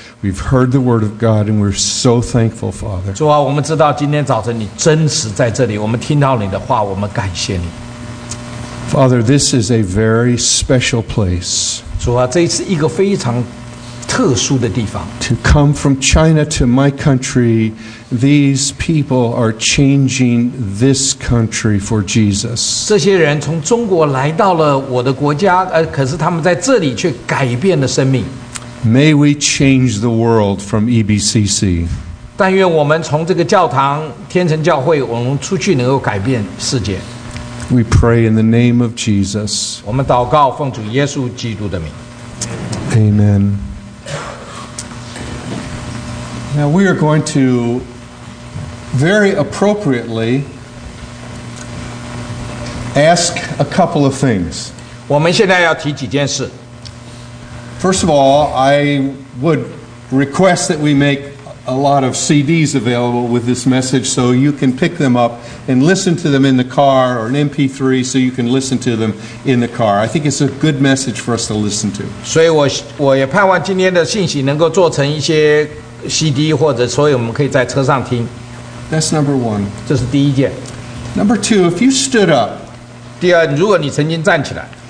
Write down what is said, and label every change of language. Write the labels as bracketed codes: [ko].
[en] We've heard the word of God, and we're so thankful, Father. [zh] 主啊，我们知道今天早晨你真实在这里。我们听到你的话，我们感谢你。 [en] Father, this is a very special place. [zh] 主啊，这是一个非常特殊的地方。 [en] To come from China to my country, these people are changing this country for Jesus. [zh] 这些人从中国来到了我的国家，可是他们在这里却改变了生命。 [en] May we change the world from EBCC. [zh] 但愿我们从这个教堂天成教会，我们出去能够改变世界。 [en] We pray in the name of Jesus. [zh] 我们祷告奉主耶稣基督的名。 [en] Amen. Now we are going to very appropriately ask a couple of things. [zh] 我们现在要提几件事。 [en] First of all, I would request that we make a lot of CDs available with this message so you can pick them up and listen to them in the car or an MP3 so you can listen to them in the car. I think it's a good message for us to listen to. [zh] 所以我也盼望今天的信息能够做成一些CD 或者所以我们可以在车上听。 [en] That's number one. [zh] 这是第一件。 [en] Number two, if you stood up. [zh] 第二，如果你曾经站起来。